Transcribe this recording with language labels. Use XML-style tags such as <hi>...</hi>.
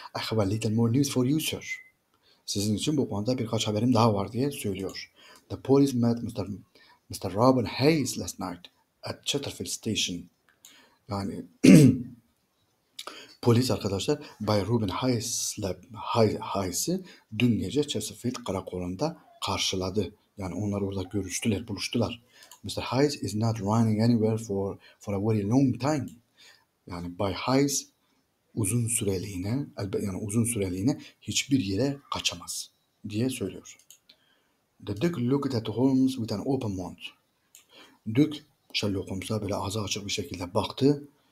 <en>I have a little more news for you, sir.</en> <tr>Sizin için bu konuda birkaç haberim daha var diye söylüyor.</tr> <en>The police met Mr. Robin Hayes last night at Chatterfield Station.</en> <tr>Yani polis arkadaşlar Bay Robin Hayes'i dün gece Chatterfield karakolunda karşıladı. Yani onlar orada görüştüler, buluştular. Mr.</tr> <en>Hayes is not running anywhere for a very long time.</en> <tr>Yani Bay Hayes uzun süreliğine, yani uzun süreliğine hiçbir yere kaçamaz diye söylüyor.</tr> <en>The Duke looked at Holmes with an open mouth.</en> <tr>Duke, Sherlock Holmes'a böyle ağzı açık bir şekilde baktı.</tr>